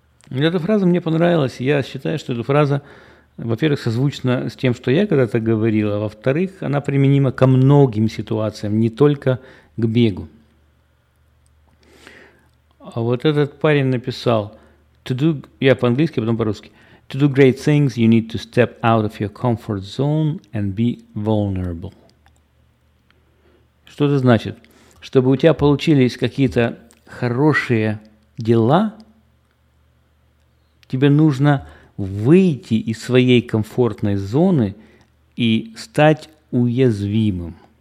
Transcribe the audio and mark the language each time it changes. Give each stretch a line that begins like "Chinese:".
Russian: Эта фраза мне понравилась. Я считаю, что эта фраза, во-первых, созвучна с тем, что я когда-то говорил, а во-вторых, она применима ко многим ситуациям, не только к бегу. А вот этот парень написал, я по-английски, потом по-русски.
English: To do great things, you need to step out of your comfort zone and be vulnerable.
Russian: Что это значит? Чтобы у тебя получились какие-то хорошие дела, тебе нужно выйти из своей комфортной зоны и стать уязвимым.